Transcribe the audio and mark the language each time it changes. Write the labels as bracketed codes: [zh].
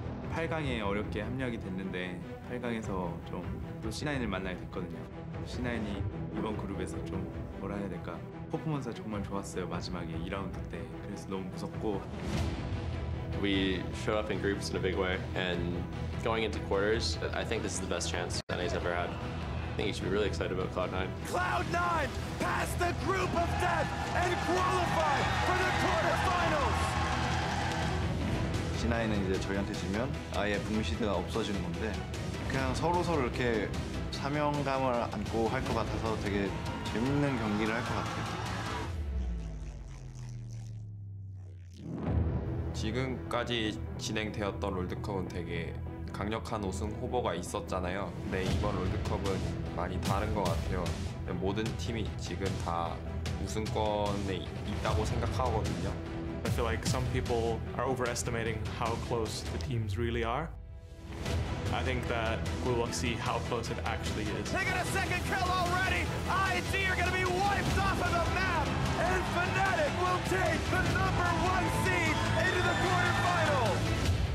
[ko] 8강에 어렵게 합류하게 됐는데 8강에서 좀 또 C9을 만나게 됐거든요. C9이 이번 그룹에서 좀 뭐라 해야 될까, 퍼포먼스가 정말 좋았어요. 마지막에 2라운드 때 그래서 너무 무섭고. [en] We showed up in groups in a big way, and going into quarters, I think this is the best chance NA's ever had. I think you should be really excited about Cloud9. Cloud9 pass the group of death and qualify for the quarterfinals. [ko] C9은 이제 저희한테 지면 아예 북미시드가 없어지는 건데 그냥 서로 서로 이렇게 사명감을 안고 할 것 같아서 되게 재밌는 경기를 할 것 같아요. 지금까지 진행되었던 롤드컵은 되게 강력한 우승 후보가 있었잖아요. 근데 이번 롤드컵은 많이 다른 것 같아요. 모든 팀이 지금 다 우승권에 있다고 생각하거든요. [en] I feel like some people are overestimating how close the teams really are. I think that we will see how close it actually is. They got a second kill already! IG are gonna be wiped off of the map! And Fnatic will take the number one seed into the quarterfinal!